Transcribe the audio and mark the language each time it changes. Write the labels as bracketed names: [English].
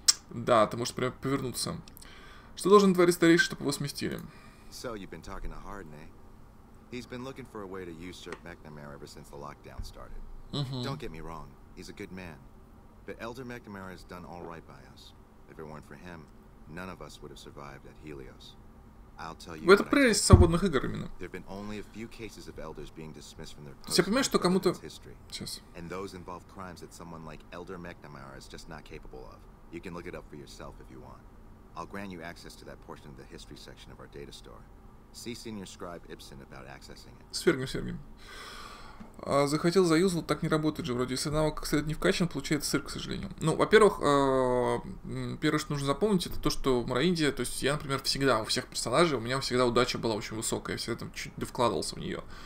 [Russian] Да, ты можешь прям повернуться. Что должен творить старейший, чтобы его сместили? [English] So you've been talking to Hardney. He's been looking for a way to usurp McNamara ever since the lockdown started. Don't get me wrong, he's a good man. But Elder McNamara has done all right by us. If it weren't for him, none of us would have survived at Helios. I'll tell you. [Russian] Это прелесть свободных игр именно. [English] There have been only a few cases of elders being dismissed from their posts. [Russian] Я понимаю, что кому-то. Сейчас. [English] And those involve crimes that someone like Elder McNamara is just not capable of. You can look it up for yourself if you want. I'll grant you access to that portion of the history section of our data store. See senior scribe Ibsen about accessing it. [Russian] Свергнем. А, захотел заюзал, так не работает же. Вроде, если навык, как следует, не вкачан, получается сыр, к сожалению. Ну, во-первых, первое, что нужно запомнить, это то, что в Морраинде, то есть я, например, всегда у всех персонажей, у меня всегда удача была очень высокая, я всегда там чуть довкладывался в нее.